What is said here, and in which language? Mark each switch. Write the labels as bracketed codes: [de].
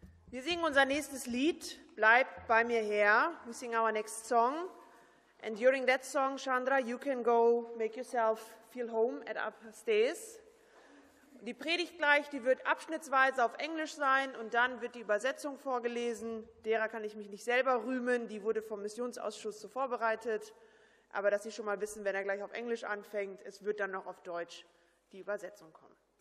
[de] Wir singen unser nächstes Lied, Bleib bei mir her. [en] We sing our next song. And during that song, Chandra, you can go make yourself feel home at upstairs. [de] Die Predigt gleich, die wird abschnittsweise auf Englisch sein und dann wird die Übersetzung vorgelesen. Derer kann ich mich nicht selber rühmen, die wurde vom Missionsausschuss so vorbereitet. Aber dass Sie schon mal wissen, wenn er gleich auf Englisch anfängt, es wird dann noch auf Deutsch die Übersetzung kommen.